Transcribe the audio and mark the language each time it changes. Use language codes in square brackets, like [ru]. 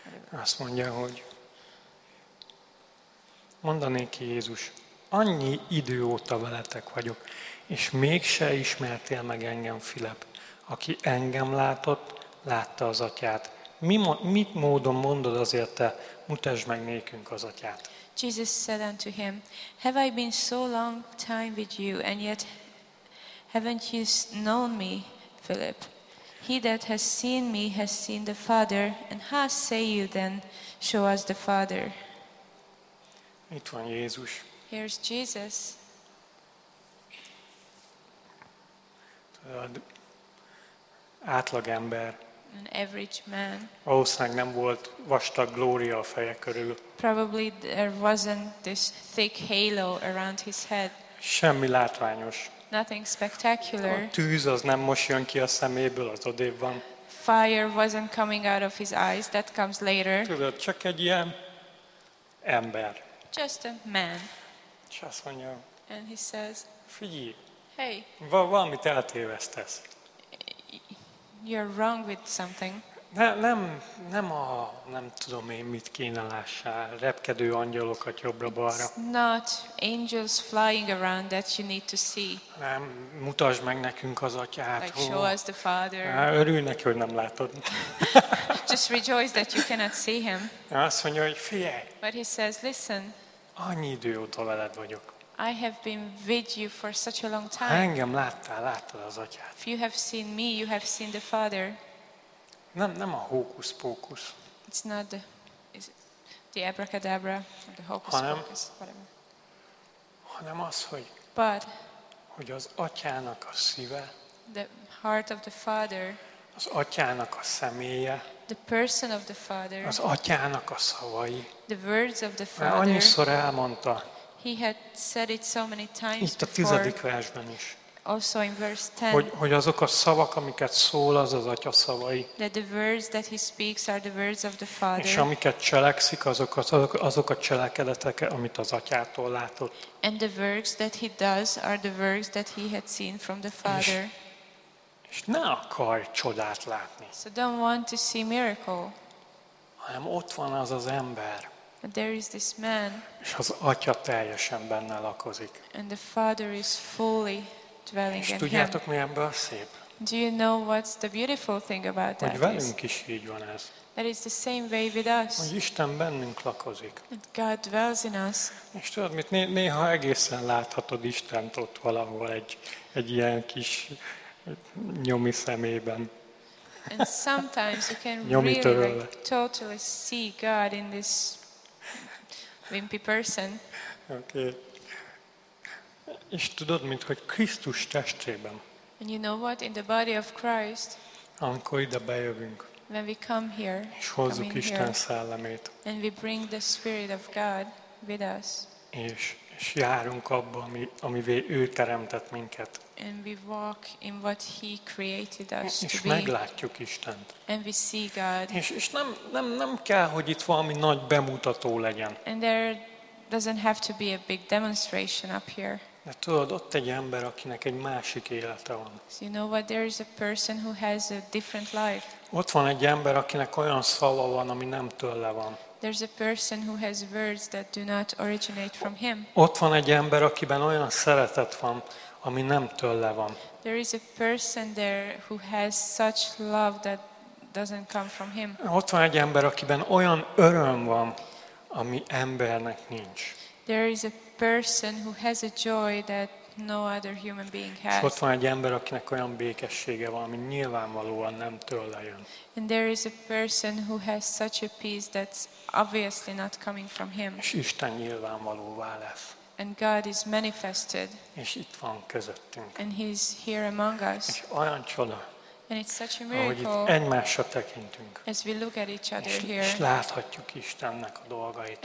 [hu] Azt mondja, hogy mondanék ki Jézus, annyi idő óta veletek vagyok, és mégse ismertél meg engem, Filip. Aki engem látott, látta az Atyát. Mit módon mondod azért te, mutasd meg nékünk az Atyát? [en] Jesus said unto him, have I been so long time with you, and yet haven't you known me, Philip? He that has seen me has seen the Father, and how say you then, show us the Father? [hu] Itt van Jézus. [en] Here's Jesus. [hu] Átlag ember. [en] An average man. [hu] Valószínűleg nem volt vastag glória a feje körül. [en] Probably there wasn't this thick halo around his head. [hu] Semmi látványos. [en] Nothing spectacular. [hu] A tűz az nem most jön ki a szeméből, az odébb van. [en] Fire wasn't coming out of his eyes. That comes later. [hu] Tudod, csak egy ilyen ember. [en] Just a man. [hu] És azt mondja, [en] and he says, [hu] figyelj, [en] hey, [hu] valamit eltévesztesz. [en] You're wrong with something. [hu] Nem a nem tudom én mit kéne lássál, repkedő angyalokat jobbra balra. [en] Not angels flying around that you need to see. [hu] Nem, mutasd meg nekünk az Atyát. [en] Like, show us the Father. [hu] Örülj neki, hogy nem látod. [en] Just rejoice that you cannot see him. [hu] Azt mondja, hogy figyelj. [en] But he says, listen. [hu] Annyi idő óta veled vagyok. [en] I have been with you for such a long time. [hu] Ha engem láttál, láttad az Atyát. [en] If you have seen me, you have seen the Father. [hu] Nem a hókusz-pókusz. [en] It's not the, is it the abracadabra, or the hókusz-pókusz, whatever. [hu] Hanem az, hogy [en] but [hu] hogy az Atyának a szíve, [en] the heart of the Father, [hu] az Atyának a személye, [en] the person of the Father, [hu] az Atyának a szavai, [en] the words of the Father. [hu] Annyiszor elmondta. [en] He had said it so many times. [hu] Itt a tizedik versben is. [en] Also in verse 10. [hu] Hogy azok a szavak, amiket szól, az az Atya szavai. [en] That the words that he speaks are the words of the Father. [hu] És amiket cselekszik, azok a cselekedetek, amit az Atyától látott. [en] And the works that he does are the works that he had seen from the Father. [hu] És ne akar csodát látni. [en] So don't want to see miracle. [hu] Hanem ott van az az ember. [en] And there is this man. [hu] És az Atya teljesen benne lakozik. [en] And the Father is fully dwelling in him. [hu] És tudjátok, mi ebből a szép? [en] Do you know what's the beautiful thing about that? [hu] Hogy velünk is így van ez. [en] That is the same way with us. [hu] Hogy Isten bennünk lakozik. [en] And God dwells in us. [hu] És tudod, mit néha egészen láthatod Istent ott valahol egy ilyen kis nyomi szemében. [en] And sometimes you can really like, totally see God in this wimpy person. Okay. [hu] És tudod, mint hogy Krisztus testében. [en] And you know what? In the body of Christ. [hu] Amikor ide bejövünk. [en] When we come here. [hu] És hozzuk Isten szellemét. [en] And we bring the Spirit of God with us. [hu] És járunk abba, amivé ő teremtett minket. [en] And we walk in what he created us to be. [hu] És meglátjuk Istent. [en] And we see God. [hu] És nem kell, hogy itt valami nagy bemutató legyen. [en] And there doesn't have to be a big demonstration up here. [hu] De tudod, ott egy ember, akinek egy másik élete van. [en] So you know what? There is a person who has a different life. [hu] Ott van egy ember, akinek olyan szava van, ami nem tőle van. [en] There's a person who has words that do not originate from him. [hu] Ott van egy ember, akiben olyan szeretet van, ami nem tőle van. [en] There is a person there who has such love that doesn't come from him. [hu] Ott van egy ember, akiben olyan öröm van, ami embernek nincs. [en] There is a person who has a joy that no other human being has. [hu] Ott van egy ember, akinek olyan békessége van, ami nyilvánvalóan nem tőle jön. [en] And there is a person who has such a peace that's obviously not coming from him. [hu] És Isten nyilvánvalóvá lesz. [en] And God is manifested. [hu] És itt van közöttünk. [en] And he's here among us. [hu] És olyan csoda. [en] And it's such a miracle. [hu] Ahogy itt egymásra tekintünk. [en] As we look at each other here. [hu] És láthatjuk Istennek a dolgait.